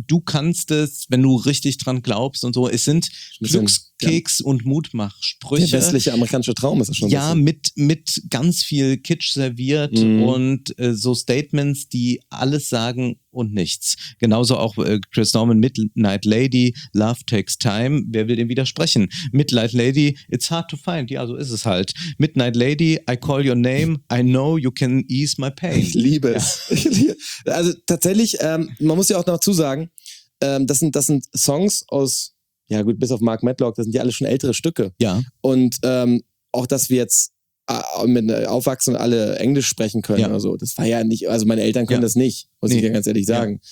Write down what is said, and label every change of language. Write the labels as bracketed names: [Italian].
[German] Du kannst es, wenn du richtig dran glaubst und so. Es sind Glückskeks und Mutmachsprüche. Der westliche amerikanische Traum ist das schon. Ja, mit ganz viel Kitsch serviert und so Statements, die alles sagen und nichts. Genauso auch Chris Norman, Midnight Lady, Love Takes Time. Wer will dem widersprechen? [English] Midnight Lady, it's hard to find. [German] Ja, so ist es halt. [English] Midnight Lady, I call your name. I know you can ease my pain. [German] Ich liebe es. Also tatsächlich, man muss ja auch noch zusagen, das sind Songs aus, ja gut, bis auf Mark Medlock, das sind ja alle schon ältere Stücke. Ja. Und auch, dass wir jetzt mit Aufwachsen und alle Englisch sprechen können oder so. Das war ja nicht, also meine Eltern können das nicht, muss ich ganz ehrlich sagen.